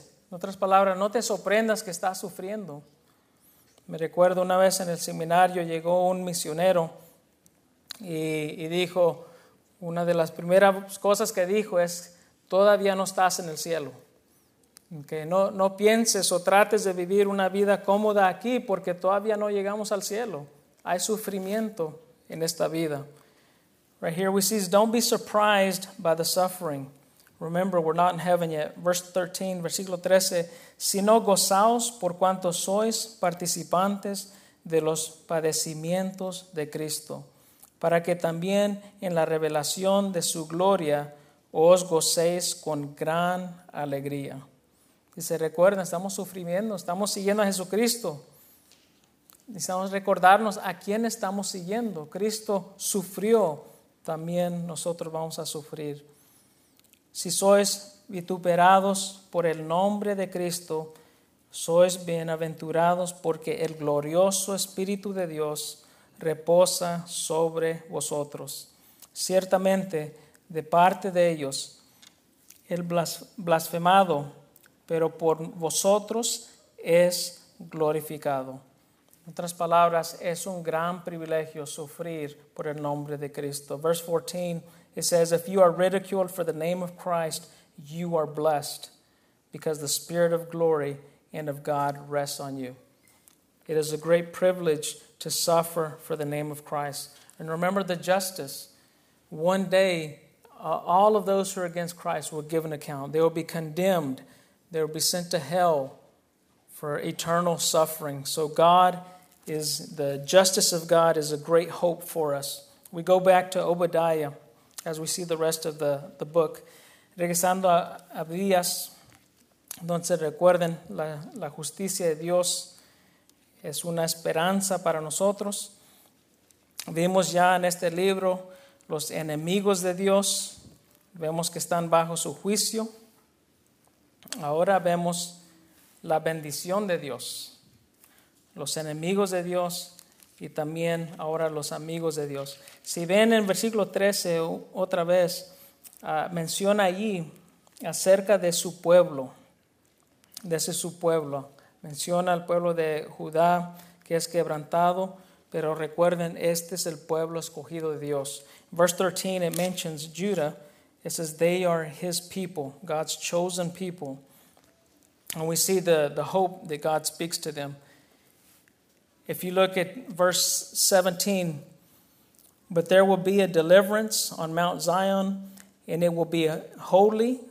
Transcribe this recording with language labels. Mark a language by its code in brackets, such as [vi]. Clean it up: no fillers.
[es] En otras palabras, no te sorprendas que estás sufriendo. Me recuerdo una vez en el seminario llegó un misionero y dijo, una de las primeras cosas que dijo es, todavía no estás en el cielo. Que no pienses o trates de vivir una vida cómoda aquí porque todavía no llegamos al cielo. Hay sufrimiento en esta vida. [en] Right here we see, don't be surprised by the suffering. Remember, we're not in heaven yet. Verse 13, [es] versículo 13. Sino gozaos por cuanto sois participantes de los padecimientos de Cristo, para que también en la revelación de su gloria os gocéis con gran alegría. Y se recuerdan, estamos sufriendo, estamos siguiendo a Jesucristo. Necesitamos recordarnos a quién estamos siguiendo. Cristo sufrió, también nosotros vamos a sufrir. Si sois vituperados por el nombre de Cristo, sois bienaventurados porque el glorioso Espíritu de Dios reposa sobre vosotros. Ciertamente, de parte de ellos, el blasfemado, pero por vosotros es glorificado. En otras palabras, es un gran privilegio sufrir por el nombre de Cristo. [en] Verse 14, it says, if you are ridiculed for the name of Christ, you are blessed, because the Spirit of glory and of God rests on you. It is a great privilege to suffer for the name of Christ. And remember the justice. One day, all of those who are against Christ will give an account. They will be condemned. They will be sent to hell for eternal suffering. So God is, the justice of God is a great hope for us. We go back to Obadiah as we see the rest of the book. [es] Regresando a Abdías, donde se recuerden la justicia de Dios. es una esperanza para nosotros. Vimos ya en este libro los enemigos de Dios. Vemos que están bajo su juicio. Ahora vemos la bendición de Dios. Los enemigos de Dios y también ahora los amigos de Dios. Si ven en versículo 13 otra vez, menciona allí acerca de su pueblo. Desde su pueblo. Menciona al pueblo de Judá que es quebrantado. Pero recuerden, este es el pueblo escogido de Dios. [en] Verse 13, it mentions Judah. It says, they are his people, God's chosen people. And we see the hope that God speaks to them. If you look at verse 17, but there will be a deliverance on Mount Zion, and it will be holy.